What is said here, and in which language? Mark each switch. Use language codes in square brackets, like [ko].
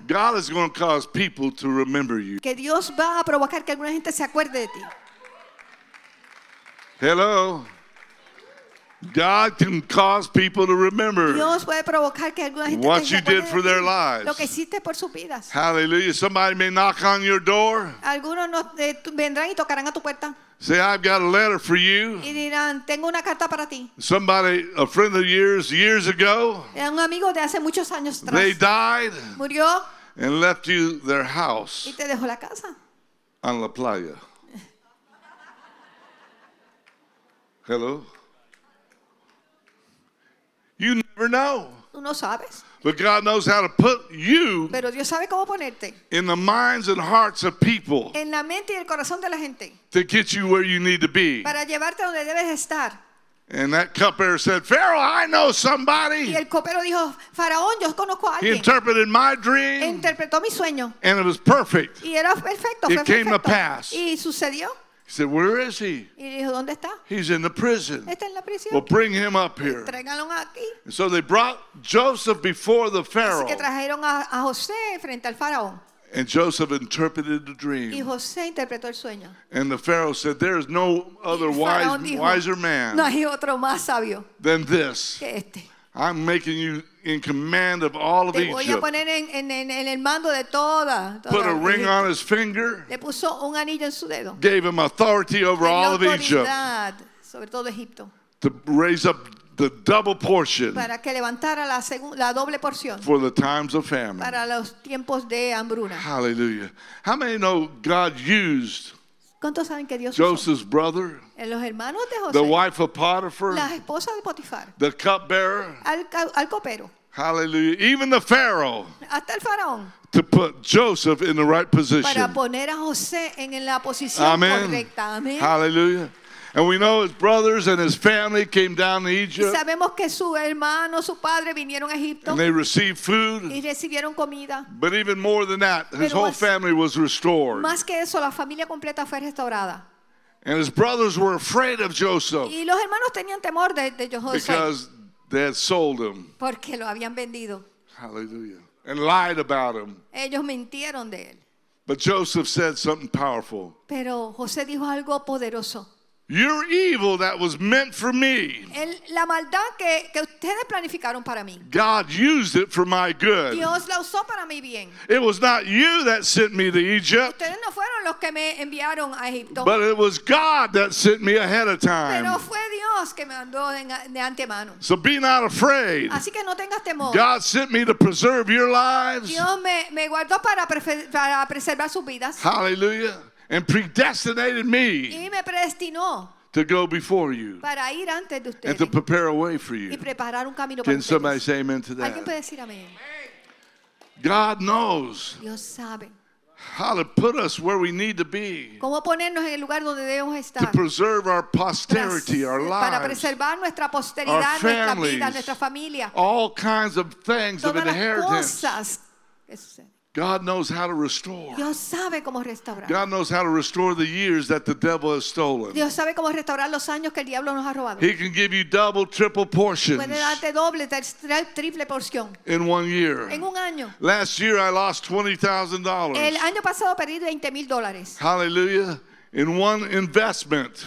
[en] God is going to cause people to remember you. [es] Que Dios va a provocar que alguna gente se acuerde de ti. [en] Hello. God can cause people to remember what you did for their lives. [es] Lo que hiciste por sus vidas. [en] Hallelujah. Somebody may knock on your door. [es] Algunos vendrán y tocarán a tu puerta. [en] Say, "I've got a letter for you." [es] Y dirán, "Tengo una carta para ti." [en] Somebody, a friend of yours, years ago, [es] un amigo de hace muchos años atrás, [en] they died, [es] murió, [en] and left you their house, [es] y te dejó la casa, on la playa. [en] Hello? You never know. [es] No sabes. [en] But God knows how to put you. [es] Pero Dios sabe cómo ponerte. [en] In the minds and hearts of people. [es] En la mente y el corazón de la gente. [en] To get you where you need to be. [es] Para llevarte donde debes estar. [en] And that cupbearer said, "Pharaoh, I know somebody." [es] Y el copero dijo, "Faraón, yo conozco a alguien." [en] He interpreted my dream. [es] Interpretó mi sueño. [en] And it was perfect. [es] Y era perfecto. [en] It [es] fue [en] came [es] perfecto. [en] To pass. [es] Y sucedió. [en] He said, "Where is he?" [es] Y dijo, "¿Dónde está?" [en] He's in the prison. [es] Está en la prisión. [en] Well, bring him up here. [es] Tráiganlo aquí. [en] And so they brought Joseph before the Pharaoh. [es] Así que trajeron a José frente al faraón. [en] And Joseph interpreted the dream. [es] Y José interpretó el sueño. [en] And the Pharaoh said, "There is no other wise, [es] dijo, [en] wiser man [es] no hay otro más sabio [en] than this. [es] Que este. [en] I'm making you in command of all of [es] te [en] Egypt." [es] Voy a poner en el mando de toda. [en] Put a ring Egypt. On his finger. [es] Le puso un anillo en su dedo. [en] Gave him authority over [es] tenía [en] all of Egypt. [es] Sobre todo Egipto. [en] To raise up the double portion. [es] Para que levantara la doble porción. [en] For the times of famine. [es] Para los tiempos de hambruna. [en] Hallelujah. How many know God used [es] ¿cuántos saben que Dios [en] Joseph's [es] usó? [en] Brother, [es] los hermanos de José, [en] the wife of Potiphar, [es] la esposa de Potifar, [en] the cupbearer, [es] al copero, [en] hallelujah, even the Pharaoh, [es] hasta el faraón, [en] to put Joseph in the right position, [es] para poner a José en la posición Amen. Correcta. Amen. [en] Hallelujah. And we know his brothers and his family came down to Egypt. [es] Y sabemos que su hermano, su padre vinieron a Egipto. [en] And they received food. [es] Y recibieron comida. [en] But even more than that, his whole family was restored. [es] Más que eso, la familia completa fue restaurada. [en] And his brothers were afraid of Joseph. [es] Y los hermanos tenían temor de Joseph. [en] Because they had sold him. [es] Porque lo habían vendido. [en] Hallelujah. And lied about him. [es] Ellos mintieron de él. [en] But Joseph said something powerful. [es] Pero José dijo algo poderoso. [en] Your evil that was meant for me. [es] La maldad que ustedes planificaron para mí. [en] God used it for my good. [es] Dios la usó para mi bien. [en] It was not you that sent me to Egypt. [es] Ustedes no fueron los que me enviaron a Egipto. [en] But it was God that sent me ahead of time. [es] Pero fue Dios que me mandó de antemano. [en] So be not afraid. [es] Así que no tengas temor. [en] God sent me to preserve your lives. [es] Dios me guardó para preservar sus vidas. [en] Hallelujah. And predestinated me, [es] y me predestinó [en] to go before you [es] para ir antes de ustedes [en] and to prepare a way for you. [es] Y preparar un camino [en] Can [es] para [en] somebody [es] ustedes? [en] Say amen to that? [es] ¿Alguien puede decir amén? [en] God knows [es] Dios sabe [en] how to put us where we need to be, [es] cómo ponernos en el lugar donde debemos estar, [en] to preserve our posterity, our lives, [es] para preservar nuestra posteridad, [en] our families, [es] nuestra vida, nuestra familia, [en] all kinds of things [es] todas [en] of inheritance. [es] Cosas que suceden. [en] God knows how to restore. [es] Dios sabe cómo restaurar. [en] God knows how to restore the years that the devil has stolen. [es] Dios sabe cómo restaurar los años que el diablo nos ha robado. [en] He can give you double, triple portions. [es] Puede darte doble, triple porción. [en] In 1 year. [es] En un año. [en] Last year I lost $20,000. [es] El año pasado perdí $20,000. [en] Hallelujah. In one investment.